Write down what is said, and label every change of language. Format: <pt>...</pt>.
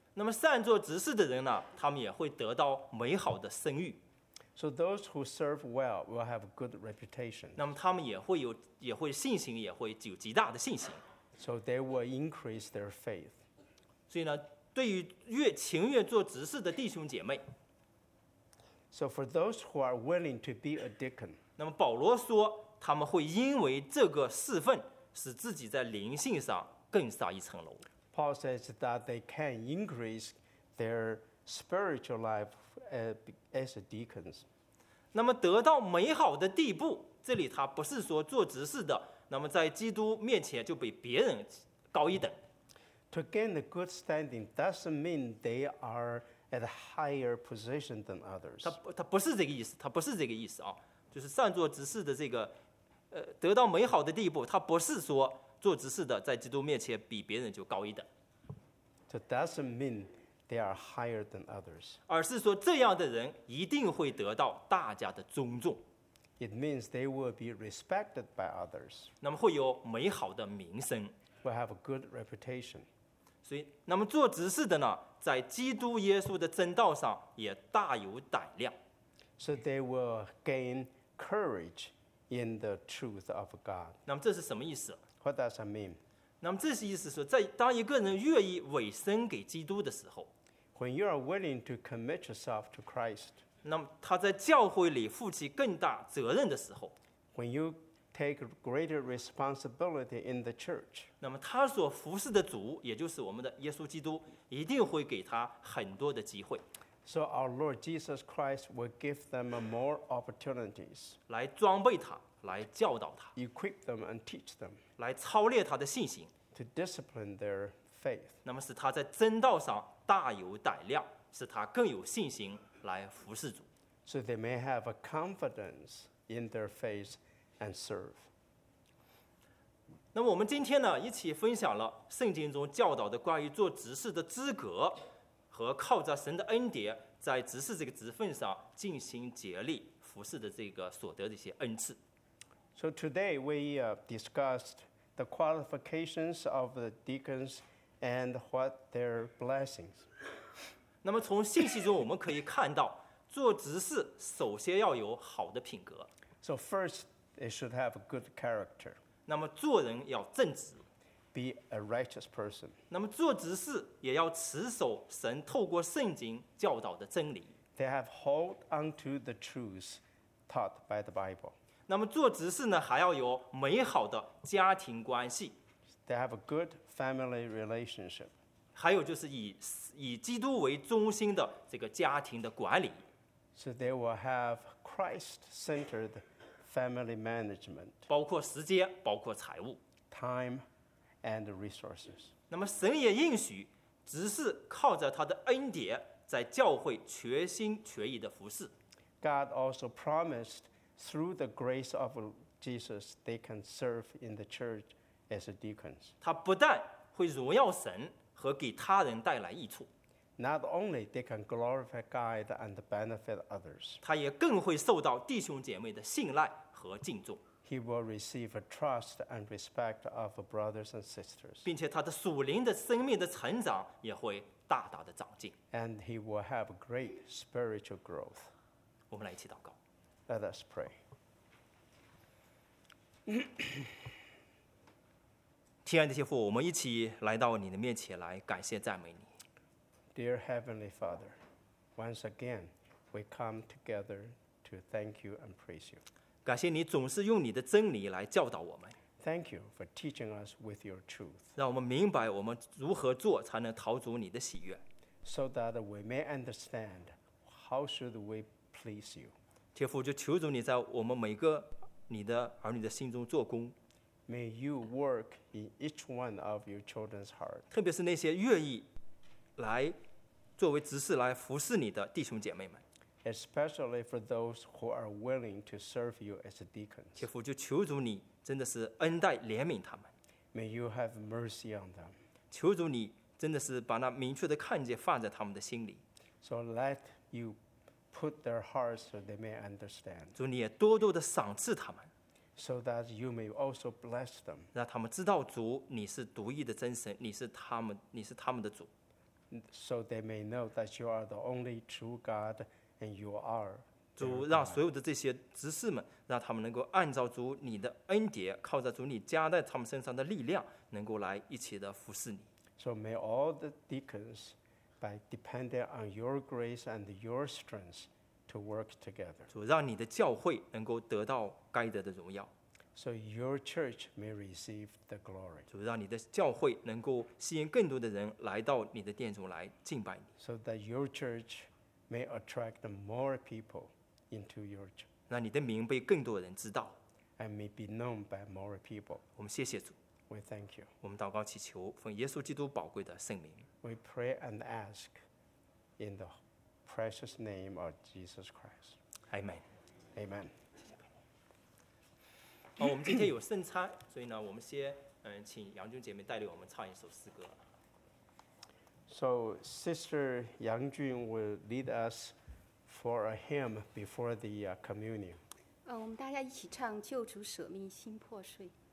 <zh>那么善做执事的人呢，他们也会得到美好的声誉。</zh> <en>So those who serve well will have a good reputation.</en> <zh>那么他们也会信心，也会有极大的信心。</zh> <en>So they will increase their faith.</en> <zh>所以呢，对于越情愿做执事的弟兄姐妹。</zh> <en>So for those who are willing to be a deacon.</en> <zh>那么保罗说，他们会因为这个侍奉，使自己在灵性上更上一层楼。</zh> <en>Paul says that they can increase their spiritual life. As deacons.</en> <zh>那么得到美好的地步，这里他不是说做执事的，那么在基督面前就比别人高一等。</zh> <en>To gain a good standing doesn't mean they are at a higher position than others.</en> <zh>他不是这个意思，他不是这个意思啊，就是善做执事的这个，得到美好的地步，他不是说做执事的在基督面前比别人就高一等。</zh> <en>So doesn't mean. They are higher than others.</en> <zh>而是说这样的人一定会得到大家的尊重。</zh> <en>It means they will be respected by others.</en> <zh>那么会有美好的名声。</zh> <en>Will have a good reputation.</en> <zh>所以，那么做执事的呢，在基督耶稣的真道上也大有胆量。</zh> <en>So they will gain courage in the truth of God.</en> <zh>那么这是什么意思？</zh> <en>What does that mean?</en> <zh>那么这是意思说，在当一个人愿意委身给基督的时候</zh> <en>，When you are willing to commit yourself to Christ，</en> <zh>那么他在教会里负起更大责任的时候</zh> <en>，When you take greater responsibility in the church，</en> <zh>那么他所服侍的主，也就是我们的耶稣基督，一定会给他很多的机会。</zh> <en>So our Lord Jesus Christ will give them more opportunities.</en> <zh>来装备他，来教导他。</zh> <en>Equip them and teach them.</en> <zh>来操练他的信心。</zh> <en>To discipline their faith.</en> <zh>那么使他在真道上大有胆量，使他更有信心来服侍主。</zh> <en>So they may have a confidence in their faith and serve.</en> <zh>那么我们今天呢，一起分享了圣经中教导的关于做执事的资格。和靠着神的恩典在执事这个职分上尽心竭力服侍的这个所得的一些恩赐。</zh> <en>So today we discussed the qualifications of the deacons and what their blessings.</en> <zh>那么从信息中我们可以看到做执事首先要有好的品格。</zh> <en>So first they should have a good character.</en> <zh>那么做人要正直。</zh> <en>Be a righteous person.</en> <zh>那么做执事也要持守神透过圣经教导的真理。</zh> <en>They have hold onto the truths taught by the Bible.</en> <zh>那么做执事呢，还要有美好的家庭关系。</zh> <en>They have a good family relationship.</en> <zh>还有就是以基督为中心的这个家庭的管理。</zh> <en>So they will have Christ-centered family management.</en> <zh>包括时间，包括财务。</zh> <en>Time. And resources.</en> <zh>那么神也应许，执事靠着他的恩典，在教会全心全意的服侍。</zh> <en>God also promised through the grace of Jesus they can serve in the church as deacons.</en> <zh>他不但会荣耀神和给他人带来益处。</zh> <en>Not only they can glorify God and benefit others.</en> <zh>他也更会受到弟兄姐妹的信赖和敬重。</zh> <en>He will receive a trust and respect of brothers and sisters.</en> <zh>并且他的属灵的生命的成长也会大大的长进。</zh> <en>And he will have great spiritual growth.</en> <zh>我们来一起祷告。</zh> <en>Let us pray.</en> <zh>亲爱的天父，我们一起来到你的面前来感谢赞美你。</zh> <en>Dear Heavenly Father, once again, we come together to thank you and praise you.</en> <zh>感谢你总是用你的真理来教导我们。</zh> <en>Thank you for teaching us with your truth.</en> <zh>让我们明白我们如何做才能讨主你的喜悦。</zh> <en>So that we may understand how should we please you.</en> <zh>天父，就求主你在我们每个你的儿女的心中做工。</zh> <en>May you work in each one of your children's heart.</en> <zh>特别是那些愿意来作为执事来服侍你的弟兄姐妹们。</zh> <en>Especially for those who are willing to serve you as a deacon.</en> <zh>天父，就求主你真的是恩待怜悯他们。</zh> <en>May you have mercy on them.</en> <zh>求主你真的是把那明确的看见放在他们的心里。</zh> <en>So let you put their hearts so they may understand.</en> <zh>主你也多多的赏赐他们。</zh> <en>So that you may also bless them.</en> <zh>让他们知道主你是独一的真神，你是他们的主。</zh> <en>So they may know that you are the only true God. And you are.</en> <zh>主让所有的这些执事们，让他们能够按照主你的恩典，靠着主你加在他们身上的力量，能够来一起的服侍你。</zh> <en>So may all the deacons, by depending on your grace and your strength, to work together.</en> <zh>主让你的教会能够得到该得的荣耀。</zh> <en>So your church may receive the glory.</en> <zh>主让你的教会能够吸引更多的人来到你的殿中来敬拜你。</zh> <en>So that your church. May attract more people into your church.</en> <zh>让你的名被更多人知道。</zh> <en>And may be known by more people.</en> <zh>我们谢谢主。</zh> <en>We thank you.</en> <zh>我们祷告祈求，奉耶稣基督宝贵的圣名。</zh> <en>We pray and ask in the precious name of Jesus Christ. Amen. Amen.</en> <zh>好，我们今天有圣餐，所以呢，我们先请杨军姐妹带领我们唱一首诗歌。</zh> <en>So Sister Yang Jun will lead us for a hymn before the communion.</en> <zh>我们大家一起唱《救主舍命心破碎》。</zh>